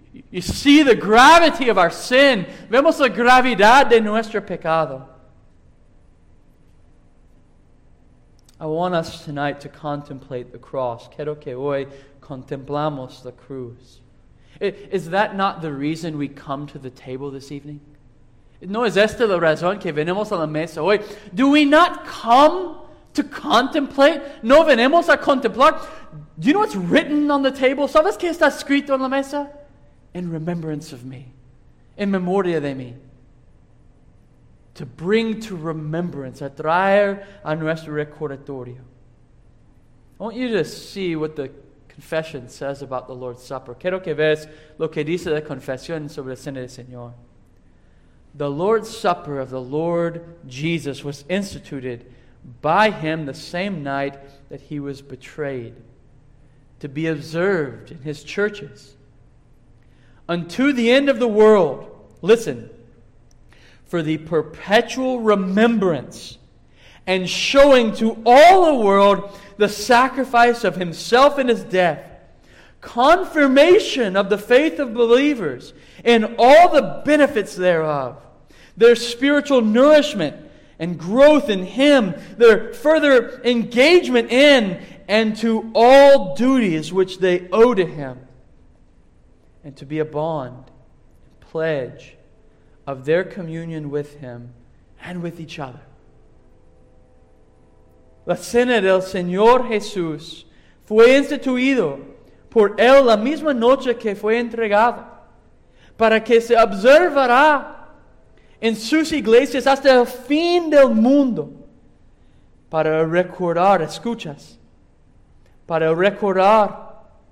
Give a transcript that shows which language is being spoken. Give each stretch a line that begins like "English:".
English: You see the gravity of our sin.
Spanish: Vemos la gravedad de nuestro pecado.
English: I want us tonight to contemplate the cross.
Spanish: Quiero que hoy contemplamos la cruz.
English: Is that not the reason we come to the table this evening?
Spanish: ¿No es esta la razón que venimos a la mesa hoy?
English: Do we not come to contemplate?
Spanish: ¿No venimos a contemplar?
English: Do you know what's written on the table?
Spanish: ¿Sabes qué está escrito en la mesa?
English: In remembrance of me.
Spanish: In memoria de mí.
English: To bring to remembrance,
Spanish: a traer a nuestro recordatorio.
English: I want you to see what the confession says about the Lord's Supper.
Spanish: Quiero que veas lo que dice la confesión sobre la cena del Señor.
English: The Lord's Supper of the Lord Jesus was instituted by him the same night that he was betrayed, to be observed in his churches unto the end of the world. Listen, for the perpetual remembrance and showing to all the world the sacrifice of himself in his death, confirmation of the faith of believers and all the benefits thereof, their spiritual nourishment and growth in him, their further engagement in and to all duties which they owe to him, and to be a bond, pledge of their communion with him and with each other.
Spanish: La cena del Señor Jesús fue instituido por él la misma noche que fue entregado, para que se observará en sus iglesias hasta el fin del mundo, para recordar, escuchas, para recordar,